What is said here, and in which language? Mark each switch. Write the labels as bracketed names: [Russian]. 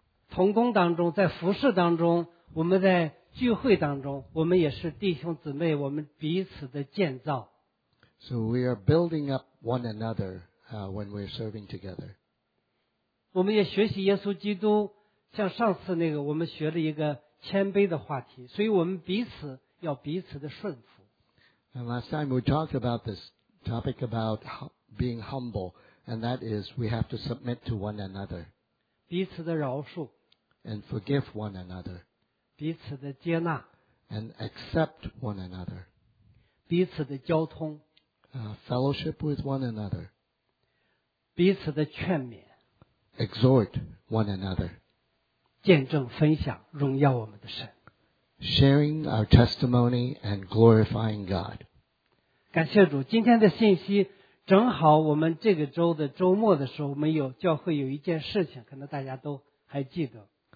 [Chinese] 同工当中，在服事当中，我们在聚会当中，我们也是弟兄姊妹，我们彼此的建造。 [English] So we are building up one another, when we're serving together. [Chinese] 我们也学习耶稣基督，像上次那个，我们学了一个谦卑的话题，所以我们彼此要彼此的顺服。 [English] And last time we talked about this topic about being humble, and that is we have to submit to one another. [Chinese] 彼此的饶恕。 [English] And forgive one another. [Chinese] 彼此的接纳 [English] and accept one another. [Chinese] 彼此的交通 [English] fellowship with one another. [Chinese] 彼此的劝勉 [English] exhort one another. [Chinese] 见证分享荣耀我们的神 [English] sharing our testimony and glorifying God. [Chinese] 感谢主，今天的信息正好我们这个周的周末的时候，我们有教会有一件事情，可能大家都还记得。